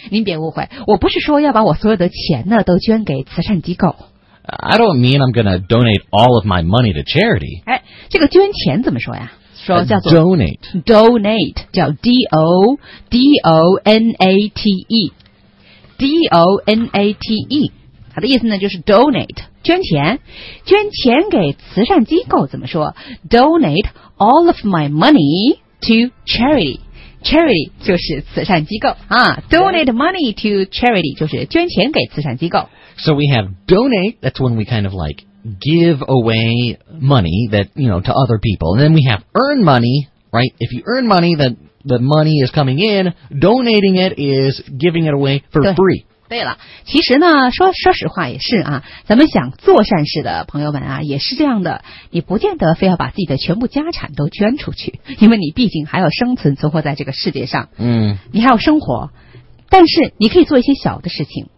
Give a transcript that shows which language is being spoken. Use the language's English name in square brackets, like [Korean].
[Chinese] 您别误会，我不是说要把我所有的钱呢都捐给慈善机构。 [English] I don't mean I'm gonna donate all of my money to charity. [Chinese] 哎，这个捐钱怎么说呀？说叫做 [English] donate. Donate 叫 donate. [Chinese] Donate. 好的意思呢就是 donate. 捐钱，捐钱给慈善机构怎么说 ？ [English] Donate all of my money to charity. [Chinese] Charity 就是慈善机构啊。 [English] Donate money to charity [Chinese] 就是捐钱给慈善机构。 [English] So we have donate. That's when we kind of like give away money that you know to other people. And then we have earn money, right? If you earn money, the money is coming in. Donating it is giving it away for free. [Chinese] 对了，其实呢，说实话也是啊，咱们想做善事的朋友们啊，也是这样的，你不见得非要把自己的全部家产都捐出去，因为你毕竟还要生存存活在这个世界上，嗯，你还要生活，但是你可以做一些小的事情。